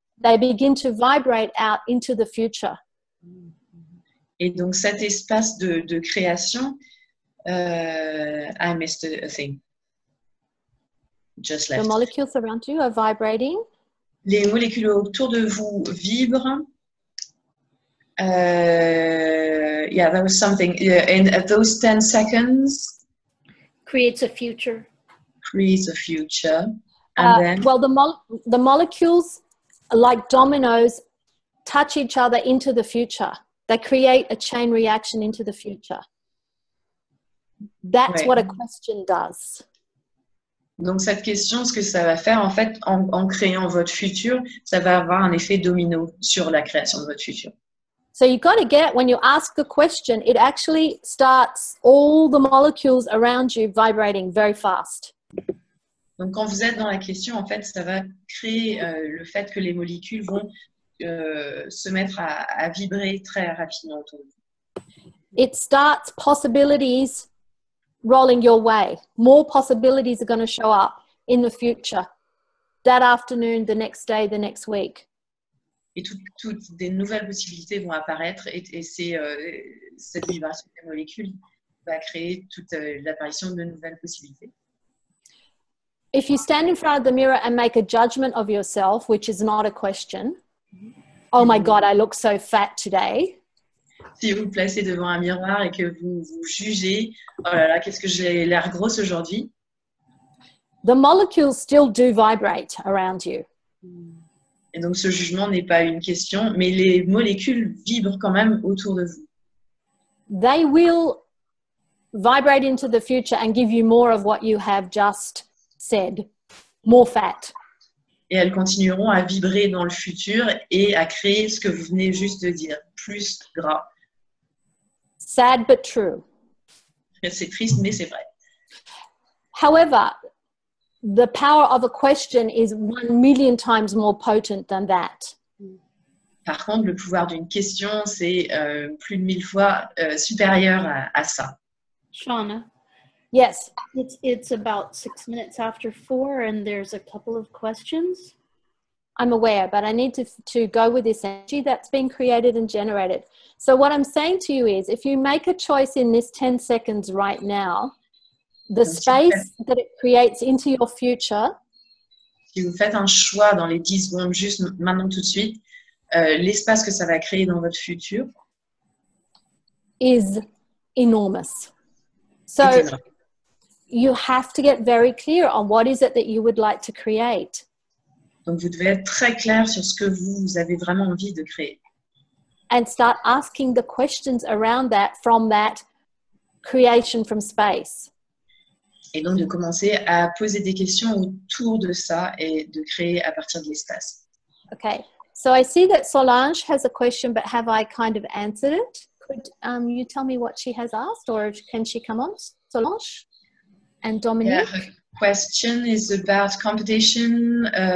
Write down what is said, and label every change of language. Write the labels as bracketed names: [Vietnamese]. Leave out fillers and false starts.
[English] They begin to vibrate out into the future. [French] Et donc cet espace de création, [English] I missed a thing. Just left. The molecules around you are vibrating. [French] Les molécules autour de vous vibrent. [English] Yeah, there was something. Yeah, and at those 10 seconds, creates a future. Creates a future. Well, the molecules, like dominoes, touch each other into the future. They create a chain reaction into the future. That's what a question does. [French] Donc cette question, ce que ça va faire en fait en créant votre futur, ça va avoir un effet domino sur la création de votre futur. [English] So you got to get, when you ask a question, it actually starts all the molecules around you vibrating very fast. [French] Donc quand vous êtes dans la question, en fait, ça va créer le fait que les molécules vont se mettre à vibrer très rapidement autour de vous. [English] It starts possibilities rolling your way. More possibilities are going to show up in the future. That afternoon, the next day, the next week. [French] Et toutes des nouvelles possibilités vont apparaître et c'est cette vibration des molécules va créer toute l'apparition de nouvelles possibilités. [English] If you stand in front of the mirror and make a judgment of yourself, which is not a question, oh my God, I look so fat today. [French] Si vous placez devant un miroir et que vous jugez, oh là là, qu'est-ce que j'ai l'air grosse aujourd'hui? [English] The molecules still do vibrate around you. [French] Et donc ce jugement n'est pas une question, mais les molécules vibrent quand même autour de vous. [English] They will vibrate into the future and give you more of what you have just said, more fat. [French] Et elles continueront à vibrer dans le futur et à créer ce que vous venez juste de dire, plus gras. [English] Sad but true. [French] C'est triste, mais c'est vrai. [English] However, the power of a question is 1,000,000 times more potent than that. [French] Par contre, le pouvoir d'une question, c'est plus de 1,000 fois supérieur à ça. [English] Shauna. Yes. It's about 6 minutes after 4 and there's a couple of questions. I'm aware, but I need to go with this energy that's been created and generated. So what I'm saying to you is, if you make a choice in this 10 seconds right now, the space that it creates into your future. [French] Si vous faites un choix dans les 10 secondes, juste maintenant tout de suite, l'espace que ça va créer dans votre futur. [English] Is enormous. So you have to get very clear on what is it that you would like to create. [French] Donc vous devez être très clair sur ce que vous avez vraiment envie de créer. [English] And start asking the questions around that from that creation from space. [French] Et donc de commencer à poser des questions autour de ça et de créer à partir de l'espace. [English] Okay. So I see that Solange has a question, but have I kind of answered it? Could you tell me what she has asked, or can she come on, Solange? And Dominique? Yeah, her question is about competition.